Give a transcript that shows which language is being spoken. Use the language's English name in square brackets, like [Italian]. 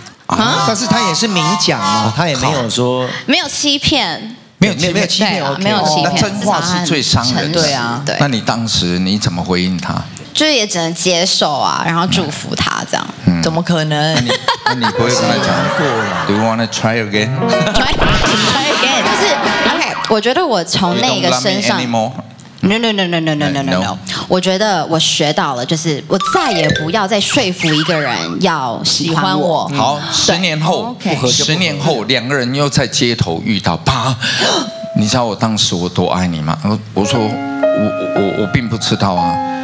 [Chinese] 但是他也是明讲嘛，他也没有说没有欺骗，没有欺骗，那真话是最伤人的。对啊，对。那你当时你怎么回应他？就也只能接受啊，然后祝福他这样。怎么可能？那你不会跟他讲过了 [English] ？Do you want to try again？ Try again， [Chinese] 就是 [English] OK。 [Chinese] 我觉得我从那个身上。 [English] No. [Chinese] 我觉得我学到了，就是我再也不要再说服一个人要喜欢我。好，十年后，十年后两个人又在街头遇到，啪！你知道我当时我多爱你吗？我说我并不知道啊。